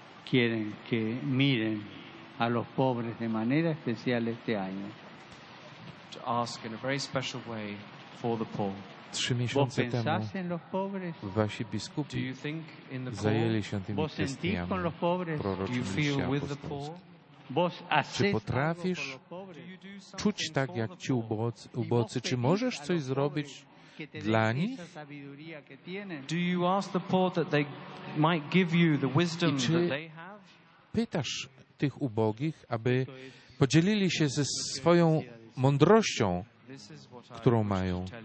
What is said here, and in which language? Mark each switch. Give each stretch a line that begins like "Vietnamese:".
Spanish: Quieren que miren a los pobres de manera especial este año.
English: To ask in a very special way.
Polish: Trzy miesiące temu wasi biskupi zajęli się tymi kwestiami proroczymi apostolskimi. Czy potrafisz czuć tak jak ci ubocy? Czy możesz coś zrobić dla nich?
English: Do you ask the poor that they might give you the wisdom that they have?
Polish: Pytasz tych ubogich, aby podzielili się ze swoją mądrością, którą mają.